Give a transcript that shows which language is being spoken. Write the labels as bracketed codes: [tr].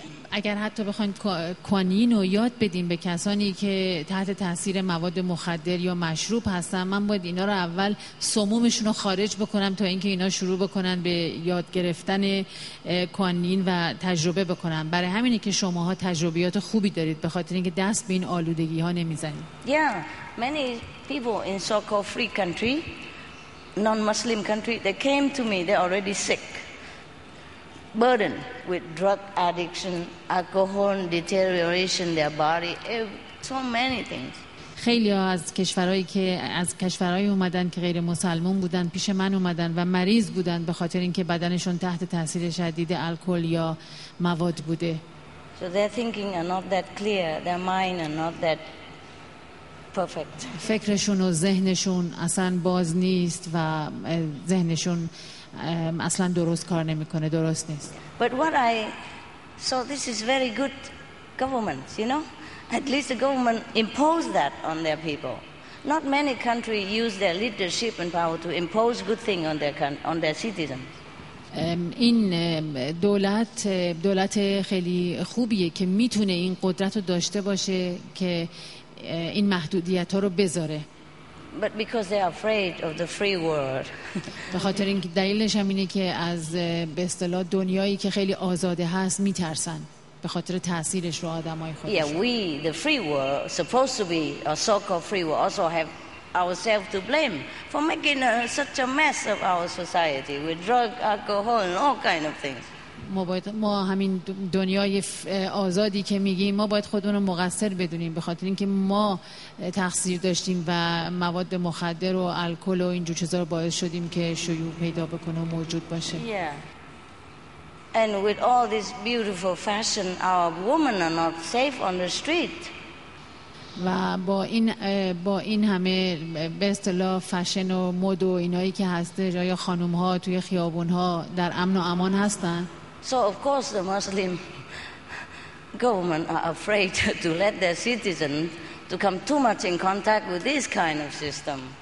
[fa] اگر حتی بخواید کوانین رو یاد بدیم به کسانی که تحت تاثیر مواد مخدر یا مشروب هستن، من باید اینا رو اول سمومشون رو خارج بکنم تا اینکه اینا شروع بکنن به یاد گرفتن کوانین و تجربه بکنن. برای همینه که شماها تجربیات خوبی دارید، به خاطر اینکه دست به این آلودگی ها نمیزنید. [en] Yeah, many people in so-called free country, non-Muslim country, they came to me, they're already sick, burden with drug addiction, alcohol deterioration, their body, so many things. [fa] خیلی ها از کشورهایی که از کشورهای اومدن که غیر مسلمان بودن پیش من اومدن و مریض بودن به خاطر اینکه بدنشون تحت تاثیر شدید الکل یا مواد بوده. [en] So their thinking are not that clear, their mind are not that perfect. [fa] فکرشون و ذهنشون اصلا باز نیست و ذهنشون اصلا درست کار نمیکنه، درست نیست. [en] But what I saw, this is very good government, you know, at least the government imposed that on their people. Not many countries use their leadership and power to impose good thing on their citizens. [fa] این دولت خیلی خوبیه که میتونه این قدرت رو داشته باشه که این محدودیت ها رو بذاره. [en] But because they are afraid of the free world. [fa] به خاطر اینکه دلیلش هم اینه که از به اصطلاح دنیایی که خیلی آزاده هست میترسن به خاطر تاثیرش رو آدمای خودشون. [en] Yeah, we the free world supposed to be a so-called free world also have ourselves to blame for making such a mess of our society with drug, alcohol and all kind of things. [fa] ما همین دنیای آزادی که میگیم، ما باید خودمون رو مقصر بدونیم به خاطر اینکه ما تقصیر داشتیم و مواد مخدر و الکل و اینجور چیزا رو باعث شدیم که شیوع پیدا بکنه و موجود باشه. [en] Yeah. And with all this beautiful fashion, our women are not safe on the street. [fa] و با این همه به اصطلاح فشن و مد و اینایی که هسته، جای خانوم ها توی خیابون ها در امن و امان هستن؟ [en] So of course the Muslim government are afraid to let their citizens to come too much in contact with this kind of system.